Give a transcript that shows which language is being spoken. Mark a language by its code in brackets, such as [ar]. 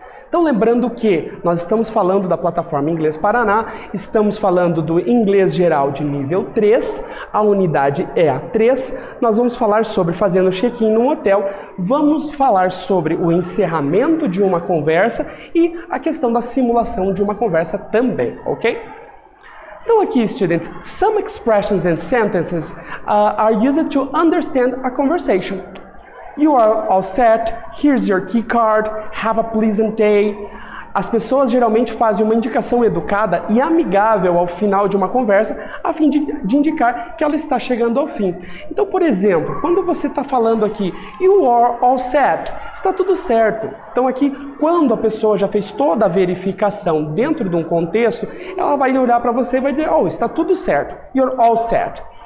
[pt] Então, lembrando que nós estamos falando da plataforma Inglês Paraná, estamos falando do inglês geral de nível 3, a unidade é a 3, nós vamos falar sobre fazendo check-in num hotel, vamos falar sobre o encerramento de uma conversa e a questão da simulação de uma conversa também, ok? Então aqui, [en] students, some expressions and sentences are used to understand a conversation. You are all set, here's your key card, have a pleasant day. [pt] As pessoas geralmente fazem uma indicação educada e amigável ao final de uma conversa a fim de indicar que ela está chegando ao fim. Então, por exemplo, quando você está falando aqui, [en] you are all set, [pt] está tudo certo. Então aqui, quando a pessoa já fez toda a verificação dentro de um contexto, ela vai olhar para você e vai dizer, oh, está tudo certo, [en] you're all set.